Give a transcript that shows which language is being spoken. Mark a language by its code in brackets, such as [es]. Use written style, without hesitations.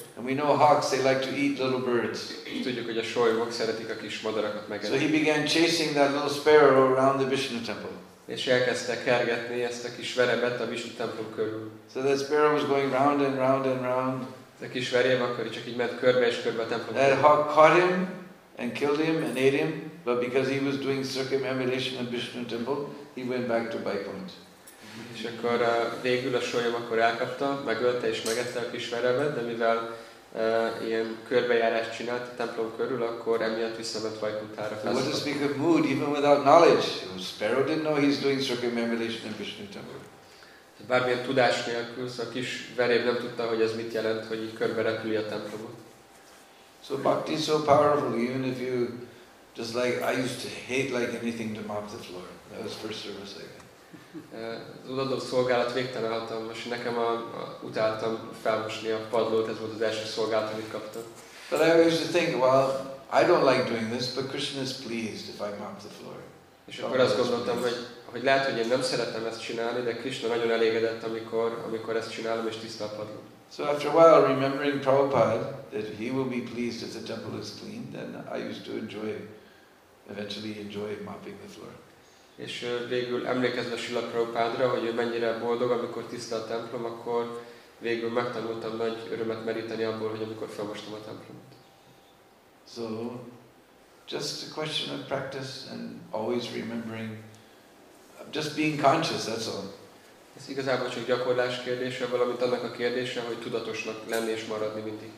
[en] And we know hawks, they like to eat little birds. [hu] Tudjuk, hogy a sólyomok szeretik a kis madarakat megenni. [en] So he began chasing that little sparrow around the Vishnu temple. [hu] És elkezdte kergetni ezt a kis verebet a Vishnu templom körül. [en] So the sparrow was going round and round and round. [hu] A kis verebe akkor csak így ment körbe és körbe a templom. [en] That hawk caught him and killed him and ate him, but because he was doing circumambulation of Vishnu temple, he went back to Vaikunth. [hu] És akkor végül a sólyom akkor elkapta, megölte és megette a kis verebet, de mivel ilyen körbejárást csinált a templom körül, akkor emiatt visszament Vaikunthára. [en] What to speak of mood, even without knowledge? The sparrow didn't know he's doing circumambulation in Vishnu temple. [hu] Bármilyen tudás nélkül, a kis veréb nem tudta, hogy ez mit jelent, hogy így körbe repüli a templomot. [en] So bhakti is so powerful, even if you just like, I used to hate like anything to mop the floor. That was first service I got. [hu] Az odaadó szolgálat végtelen hatalmas. Nekem utáltam felmosni a padlót, ez volt az első szolgálat, amit kaptam. [en] But I used to think, well, I don't like doing this, but Krishna is pleased if I mop the floor. [hu] És akkor azt gondoltam, hogy lehet, hogy én nem szeretem ezt csinálni, de Krishna nagyon elégedett, amikor ezt csinálom és tiszta a padló. [en] So after a while, remembering Prabhupada, that he will be pleased if the temple is clean, then I used to eventually enjoy mopping the floor. [hu] És végül emlékezve Srila Prabhupádra, hogy ő mennyire boldog, amikor tiszta a templom, akkor végül megtanultam nagy örömet meríteni abból, hogy amikor felmostam a templomot. [en] So, just a question of practice and always remembering, just being conscious, that's all. [hu] Ez igazából csak gyakorlás kérdése, valamint annak a kérdése, hogy tudatosnak lenni és maradni mindig.